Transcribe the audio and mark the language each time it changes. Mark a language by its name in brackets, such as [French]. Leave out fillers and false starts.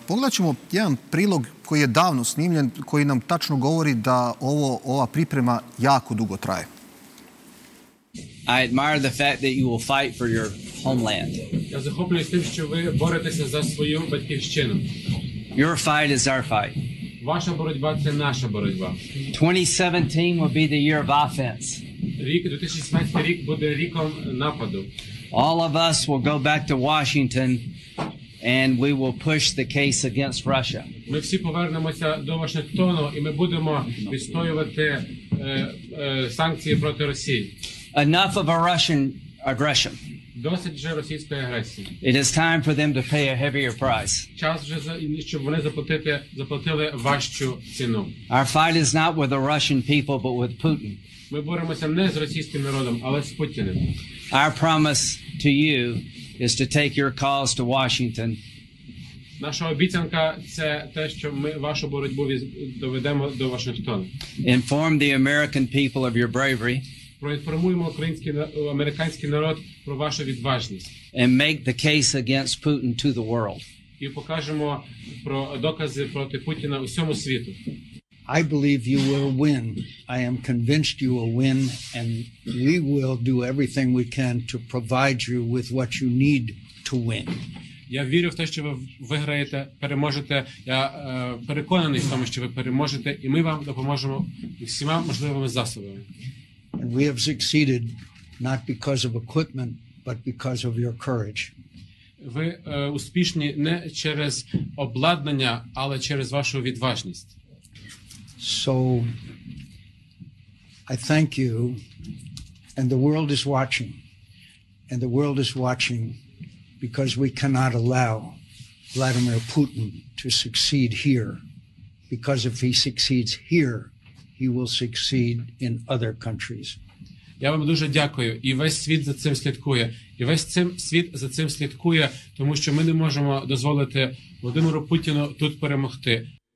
[Bosnian] Pogledat ćemo jedan prilog koji je davno snimljen, koji nam tačno govori da ova priprema jako dugo traje. [English] I admire the fact that you will fight for your homeland. [Ukrainian] Я захоплююсь тим, що ви боретеся за свою батьківщину. [English] Your fight is our fight. [Ukrainian] Ваша боротьба це наша боротьба. [English] 2017 will be the year of offense. [Ukrainian] Рік 2017 рік буде роком нападу. [English] All of us will go back to Washington and we will push the case against Russia. [Ukrainian] Ми всі повернемося до Вашингтону і ми будемо відстоювати санкції проти Росії. [English] enough of a Russian aggression. [Ukrainian] Досить вже російської агресії. [English] It is time for them to pay a heavier price. [Ukrainian] Час вже щоб вони заплатили важчу ціну. [English] Our fight is not with the Russian people, but with Putin. [Ukrainian] Ми боремося не з російським народом, але з Путіним. [English] Our promise to you is to take your calls to Washington. [Ukrainian] Наша обіцянка це те, що ми вашу боротьбу доведемо до Вашингтона. [English] Inform the American people of your bravery. [Ukrainian] Проінформуємо американський народ про вашу відважність. [English] And make the case against Putin to the world. [Ukrainian] І покажемо про докази проти Путіна усьому світу. [English] I believe you will win. I am convinced you will win, and we will do everything we can to provide you with what you need to win. [Ukrainian] Я вірю в те, що ви виграєте, переможете. Я переконаний в тому, що ви переможете, і ми вам допоможемо всіма можливими засобами. [English] And we have succeeded not because of equipment, but because of your courage. [Ukrainian] Ви успішні не через обладнання, але через вашу відважність. [English] So I thank you, and the world is watching, and the world is watching because we cannot allow Vladimir Putin to succeed here, because if he succeeds here, he will succeed in other countries. [Ukrainian] Я вам дуже дякую, і весь світ за цим слідкує. І весь цим світ за цим слідкує, тому що ми не можемо дозволити Володимиру Путіну тут перемогти.